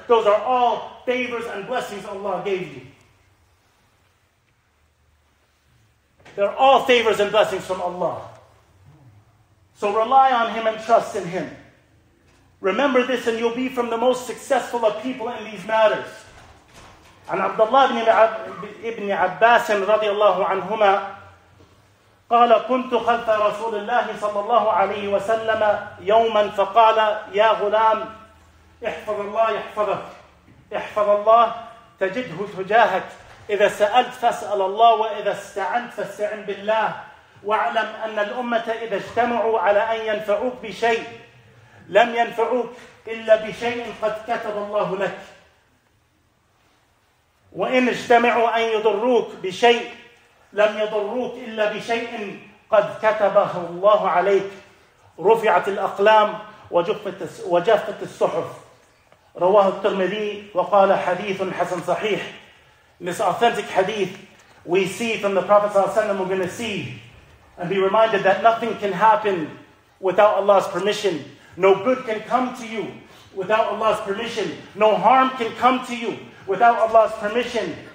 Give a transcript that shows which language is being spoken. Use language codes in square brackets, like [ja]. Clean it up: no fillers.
[en] Those are all favors and blessings Allah gave you. They're all favors and blessings from Allah. So rely on Him and trust in Him. Remember this and you'll be from the most successful of people in these matters. [ar] And Abdullah ibn Abbas radiallahu anhuma, قال كنت خلف رسول الله صلى الله عليه وسلم يوما فقال يا غلام احفظ الله يحفظك احفظ الله تجده تجاهك إذا سألت فاسأل الله وإذا استعنت فاستعن بالله واعلم أن الأمة إذا اجتمعوا على أن ينفعوك بشيء لم ينفعوك إلا بشيء قد كتب الله لك وإن اجتمعوا أن يضروك بشيء لم يضروك إلا بشيء قد كتبه الله عليك رفعت الأقلام وجفت الصحف رواه الترمذي وقال حديث حسن صحيح. [en] In this authentic hadith, we see from the Prophet ﷺ, we're going to see and be reminded that nothing can happen without Allah's permission. No good can come to you without Allah's permission. No harm can come to you without Allah's permission.